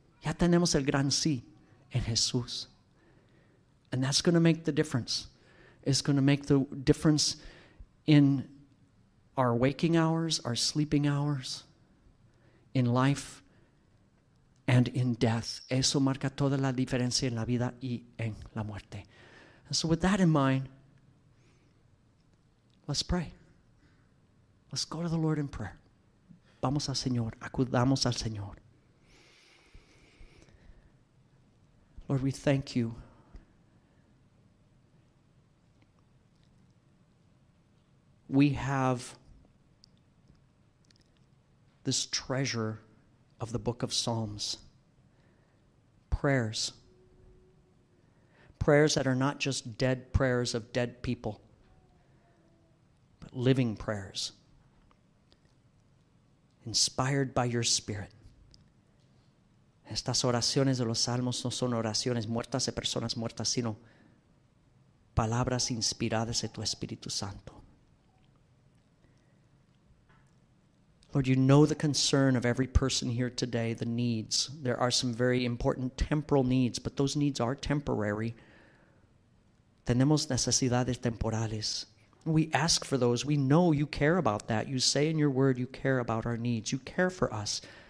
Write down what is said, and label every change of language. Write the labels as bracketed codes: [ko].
[es] Ya tenemos el gran sí en Jesús. [en] And that's going to make the difference. It's going to make the difference in our waking hours, our sleeping hours, in life, and in death. [es] Eso marca toda la diferencia en la vida y en la muerte. [en] And so with that in mind, let's pray. Let's go to the Lord in prayer. [es] Vamos al Señor. Acudamos al Señor. [en] Lord, we thank you we have this treasure of the book of Psalms. Prayers. Prayers that are not just dead prayers of dead people, but living prayers. Inspired by your Spirit. [es] Estas oraciones de los Salmos no son oraciones muertas de personas muertas, sino palabras inspiradas de tu Espíritu Santo. [en] Lord, you know the concern of every person here today, the needs. There are some very important temporal needs, but those needs are temporary. [es] Tenemos necesidades temporales. [en] We ask for those. We know you care about that. You say in your word you care about our needs. You care for us.